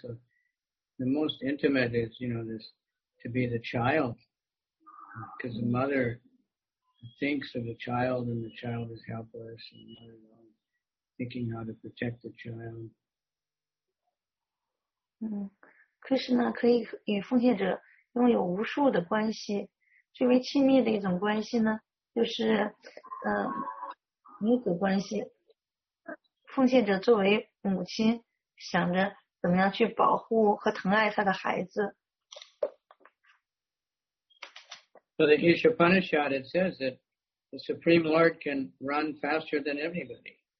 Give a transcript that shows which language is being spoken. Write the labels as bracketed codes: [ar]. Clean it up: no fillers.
[en] So the most intimate is, you know, this. To be the child, because the mother thinks of the child and the child is helpless and not alone, thinking how to protect the child. [zh] Krishna 可以与奉献者拥有无数的关系，最为亲密的一种关系呢，就是母子关系。奉献者作为母亲，想着怎么样去保护和疼爱他的孩子。 [en] So the Ishapanishad, it says that the Supreme Lord can run faster than anybody.